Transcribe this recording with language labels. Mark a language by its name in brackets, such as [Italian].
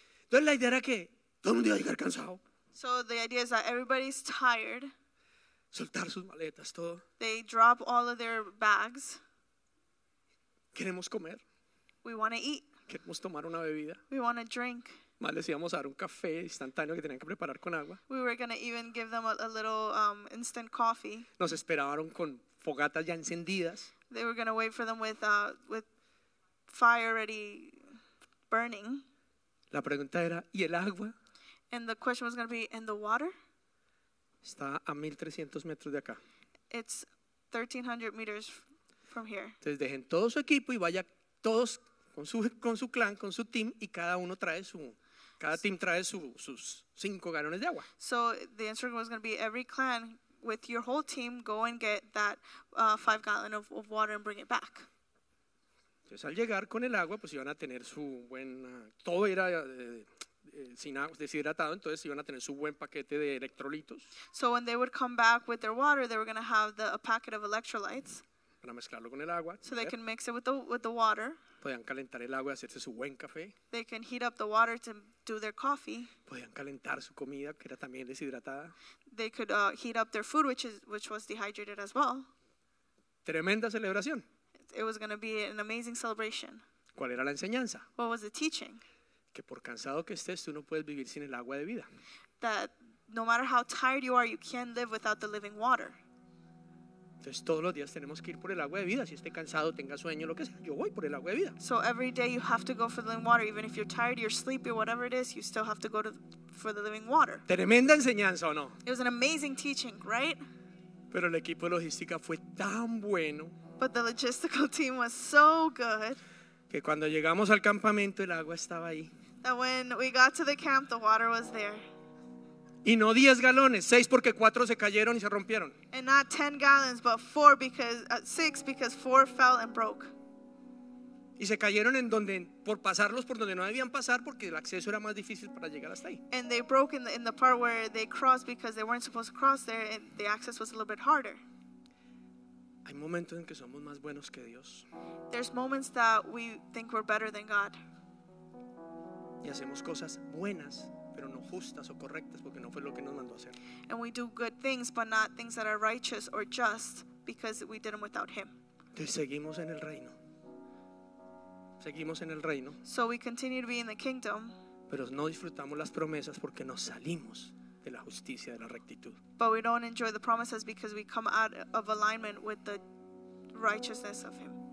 [Spanish] Entonces la idea era que todo el mundo iba a llegar cansado. [English] So the idea is that everybody's tired. [Spanish] Soltar sus maletas, todo. [English] They drop all of their bags. [Spanish] Queremos comer. [English] We want to eat. [Spanish] Queremos tomar una bebida. [English] We want to drink. [Spanish] Más les íbamos a dar un café instantáneo que tenían que preparar con agua. [English] We were going to even give them a little instant coffee. [Spanish] Nos esperaron con fogatas ya encendidas. [English] They were going to wait for them with fire already burning. [Spanish] La pregunta era, ¿y el agua? [English] And the question was going to be, ¿and the water? [Spanish] Está a 1,300 metros de acá. [English] It's 1,300 meters from here. [Spanish] Entonces dejen todo su equipo y vaya todos con su clan, con su team, y cada uno trae su, cada team trae sus 5 galones de agua. [English] So the answer was going to be, every clan with your whole team, go and get that 5 gallon of water and bring it back. [Spanish] Entonces al llegar con el agua, pues iban a tener su buen, todo era sin agua, deshidratado, entonces iban a tener su buen paquete de electrolitos. [English] So when they would come back with their water, they were going to have a packet of electrolytes. [Spanish] Para mezclarlo con el agua. [English] So they can mix it with the water. [Spanish] Podían calentar el agua y hacerse su buen café. [English] They can heat up the water to do their coffee. [Spanish] Podían calentar su comida, que era también deshidratada. [English] They could heat up their food, which was dehydrated as well. [Spanish] Tremenda celebración. [English] It was going to be an amazing celebration. [Spanish] ¿Cuál era la enseñanza? [English] What was the teaching? [Spanish] Que por cansado que estés, tú no puedes vivir sin el agua de vida. [English] That no matter how tired you are, you can't live without the living water. [Spanish] Entonces todos los días tenemos que ir por el agua de vida. Si esté cansado, tenga sueño, lo que sea, yo voy por el agua de vida. [English] So every day you have to go for the living water. Even if you're tired, you're sleepy, whatever it is, you still have to go for the living water. [Spanish] Tremenda enseñanza, ¿o no? [English] It was an amazing teaching, right? [Spanish] Pero el equipo de logística fue tan bueno. [English] But the logistical team was so good. [Spanish] Que cuando llegamos al campamento, el agua estaba ahí. [English] That when we got to the camp, the water was there. [Spanish] Y no 10 galones, 6 porque 4 se cayeron y se rompieron. [English] And not 10 gallons, but 4 because 6 because 4 fell and broke. [Spanish] Y se cayeron en donde por pasarlos por donde no debían pasar porque el acceso era más difícil para llegar hasta ahí. [English] And they broke in the part where they crossed because they weren't supposed to cross there and the access was a little bit harder. [Spanish] Hay momentos en que somos más buenos que Dios. [English] There's moments that we think we're better than God. [Spanish] Y hacemos cosas buenas, pero no justas o correctas porque no fue lo que nos mandó a hacer. [English] And we do good things but not things that are righteous or just because we did them without him. [Spanish] Entonces seguimos en el reino. Seguimos en el reino. [English] So we continue to be in the kingdom. [Spanish] Pero no disfrutamos las promesas porque nos salimos de la justicia, de la rectitud. [English] But we don't enjoy the promises because we come out of alignment with the righteousness of him.